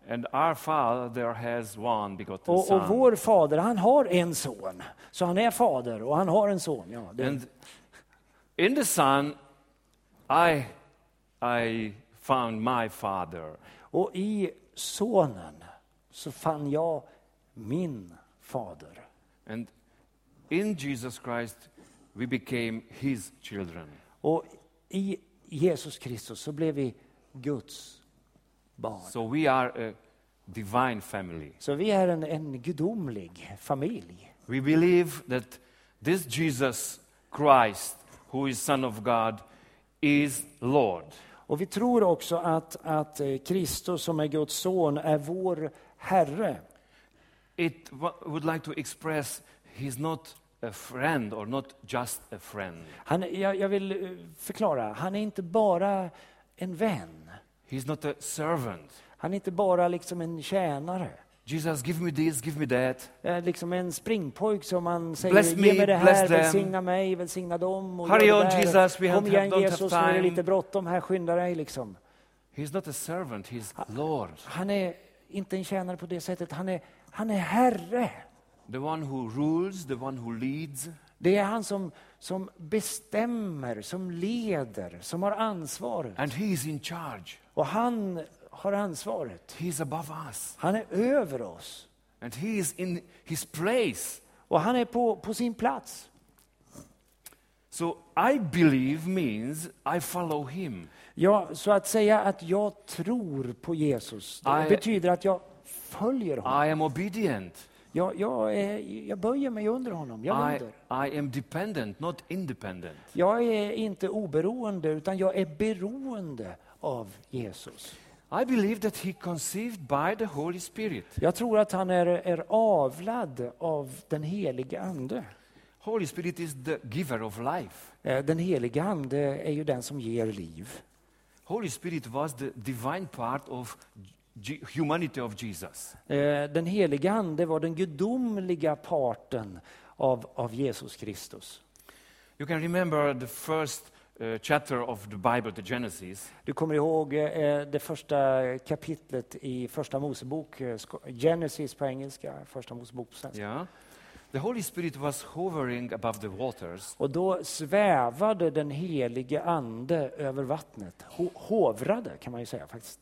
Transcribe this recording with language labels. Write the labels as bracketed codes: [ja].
[en] And our father has one begotten [sv] son. Och vår fader, han har en son. Så han är fader och han har en son, ja. Det. [en] And in the son I found my father. [sv] Och i sonen så fann jag min fader. [en] And in Jesus Christ we became his children. [sv] Och i Jesus Kristus så blev vi Guds barn. [en] So we are a divine family. [sv] Så vi är en gudomlig familj. [en] We believe that this Jesus Christ, who is son of God, is Lord. [sv] Och vi tror också att Kristus som är Guds son är vår herre. [en] It would like to express he's not a friend or not just a friend. [sv] Jag vill förklara. Han är inte bara en vän. [en] He's not a servant. [sv] Han är inte bara liksom en tjänare. [en] Jesus, give me this, give me that. [sv] Liksom en springpojk som man säger, [en] bless me, [sv] ge mig det här, välsigna mig, välsigna dem. Och [en] hurry on, [sv] det [en] Jesus, we [sv] kom igen, Jesus, [en] have time. [sv] Nu är lite bråttom här, skynda dig liksom. [en] He's not a servant, he's Lord. [sv] Han är inte en tjänare på det sättet, han är herre. [en] The one who rules, the one who leads. [sv] Det är han som bestämmer, som leder, som har ansvaret. [en] And he is in charge. [sv] Och han har ansvaret. [en] He's above us. [sv] Han är över oss. [en] And he is in his place. [sv] Och han är på sin plats. [en] So I believe means I follow him. [sv] Ja, så att säga att jag tror på Jesus, det betyder att jag följer honom. [en] I am obedient. [sv] Jag böjer mig under honom. Jag lyder. [en] I am dependent, not independent. [sv] Jag är inte oberoende utan jag är beroende av Jesus. [en] I believe that he conceived by the Holy Spirit. [sv] Jag tror att han är avlad av den helige ande. [en] Holy Spirit is the giver of life. [sv] Den helige ande är ju den som ger liv. [en] Holy Spirit was the divine part of humanity of Jesus. [sv] Den helige ande var den gudomliga parten av Jesus Kristus. [en] You can remember the first chapter of the Bible, the Genesis. [sv] Du kommer ihåg det första kapitlet i första Mosebok, Genesis på engelska, första Mosebok på svenska. [en] Yeah. The Holy Spirit was hovering above the waters. [sv] Och då svävade den helige ande över vattnet. Hovrade kan man ju säga faktiskt.